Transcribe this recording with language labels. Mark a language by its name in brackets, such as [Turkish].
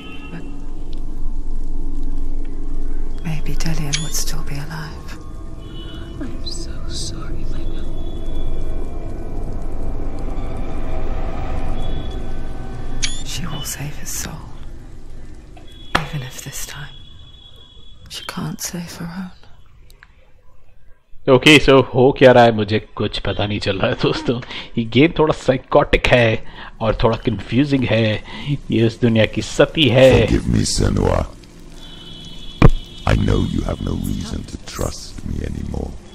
[English] But maybe Delian would still be alive. I'm so sorry, my love. She will save his soul. Even if this time she can't save her own. [Hindi] Okay so हो क्या रहा है मुझे कुछ पता नहीं चल रहा है दोस्तों। ये गेम थोड़ा साइकोटिक है और थोड़ा कंफ्यूजिंग है। ये इस दुनिया की सती है। [English] Forgive me, Senua. I know you have no reason to trust me anymore.